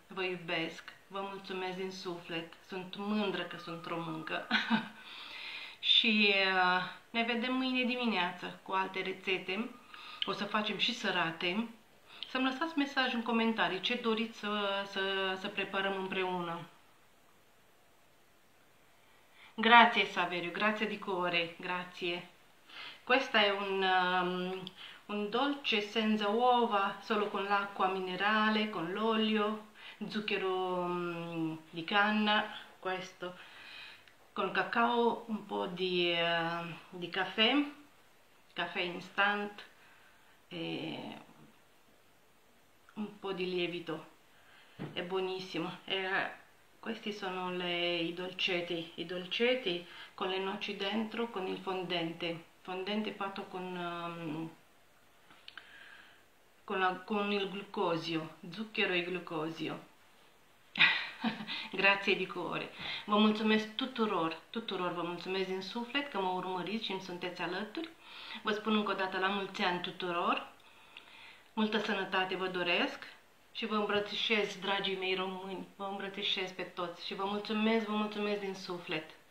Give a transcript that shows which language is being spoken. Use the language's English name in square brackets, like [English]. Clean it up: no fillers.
[Romanian] Vă iubesc, vă mulțumesc din suflet. Sunt mândră că sunt româncă. Și ne vedem mâine dimineață cu alte rețete. O să facem și sărate. Să-mi lăsați mesaj în comentarii ce doriți să preparăm împreună. [Italian] Grazie, Saverio, grazie di cuore, grazie. Questo è un dolce senza uova, solo con l'acqua minerale, con l'olio, zucchero di canna, questo, con cacao, un po' di caffè instant, e un po' di lievito, è buonissimo. Questi sono i dolcetti con le noci dentro, con il fondente fatto con il glucosio, zucchero e glucosio. Grazie di cuore. [Romanian] Vă mulțumesc tuturor, tuturor vă mulțumesc din suflet că mă urmăriți și îmi sunteți alături. Vă spun încă o dată la mulți ani tuturor. Multă sănătate vă doresc. Și vă îmbrățișez, dragii mei români, vă îmbrățișez pe toți și vă mulțumesc din suflet.